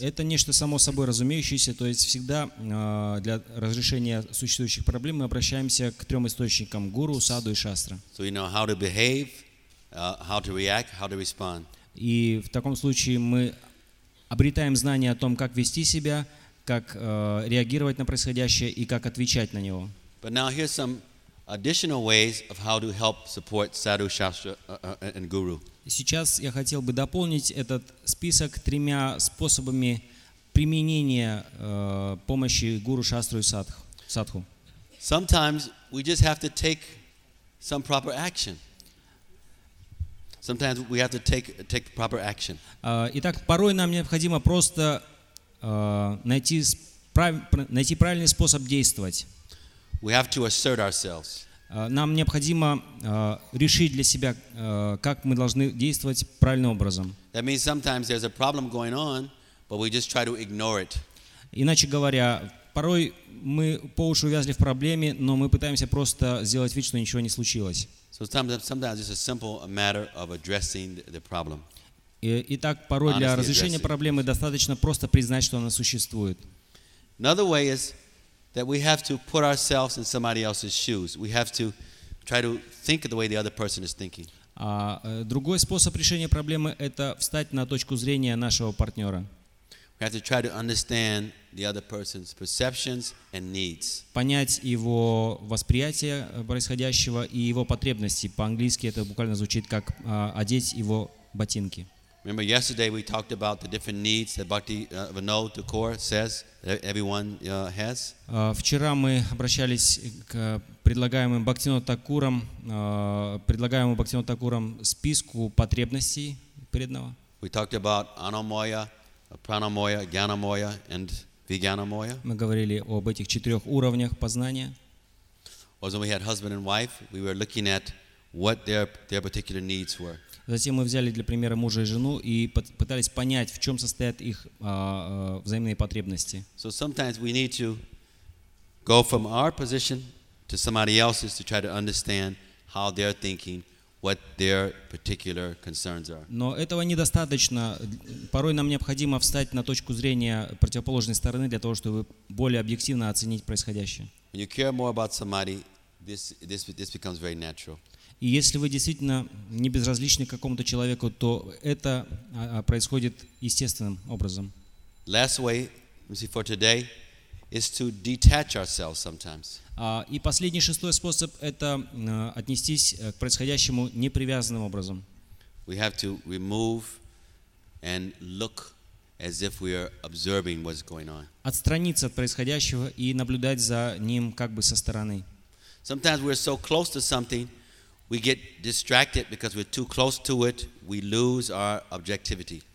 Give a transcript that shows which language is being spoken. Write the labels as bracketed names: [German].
[Russian] Это нечто само собой разумеющееся, то есть всегда для разрешения существующих проблем мы обращаемся к трем источникам: гуру, саду и шастра. [English] So we know how to behave, how to react, how to respond. [Russian] И в таком случае мы обретаем знание о том, как вести себя, как реагировать на происходящее и как отвечать на него. [English] But now here's some additional ways of how to help support sadhu, shastra, and guru. [Russian] Сейчас я хотел бы дополнить этот список тремя способами применения помощи гуру, шастру и садху. [English] Sometimes we just have to take some proper action. Sometimes we have to take proper action. [Russian] Итак, порой нам необходимо просто найти правильный способ действовать. [English] We have to assert ourselves. [Russian] Нам необходимо решить для себя, как мы должны действовать правильным образом. [English] That means sometimes there's a problem going on, but we just try to ignore it. [Russian] Иначе говоря, порой мы по уши увязли в проблеме, но мы пытаемся просто сделать вид, что ничего не случилось. [English] So sometimes it's a simple matter of addressing the problem. [Russian] Итак, порой для разрешения проблемы достаточно просто признать, что она существует. [English] Another way is that we have to put ourselves in somebody else's shoes. We have to try to think the way the other person is thinking. [Russian] Другой способ решения проблемы – это встать на точку зрения нашего партнера. [English] We have to try to understand the other person's perceptions and needs. [Russian] Понять его восприятие происходящего и его потребности. По-английски это буквально звучит как одеть его ботинки. [English] Remember yesterday we talked about the different needs that Bhakti Vinod Thakur says that everyone has. [Russian] Вчера мы обращались к предлагаемым Бхактинода Такурам списку потребностей преданного. [English] We talked about anamoya, pranamoya, gyanamoya and vijnanamoya. [Russian] Мы говорили об этих четырех уровнях познания. [English] Also we had husband and wife, we were looking at what their particular needs were. [Russian] Затем мы взяли для примера мужа и жену и пытались понять, в чем состоят их взаимные потребности. [English] So sometimes we need to go from our position to somebody else's to try to understand how they're thinking, what their particular concerns are. [Russian] Но этого недостаточно. Порой нам необходимо встать на точку зрения противоположной стороны для того, чтобы более объективно оценить происходящее. [English] When you care more about somebody, this becomes very natural. [Russian] И если вы действительно не безразличны к какому-то человеку, то это происходит естественным образом. [English] Last way, let's see, for today, is to detach ourselves sometimes. [Russian] И последний, шестой способ – это отнестись к происходящему непривязанным образом. [English] We have to remove and look as if we are observing what's going on. [Russian] Отстраниться от происходящего и наблюдать за ним как бы со стороны. [English] Sometimes we're so close to something, we get distracted because we're too close to it, we lose our objectivity.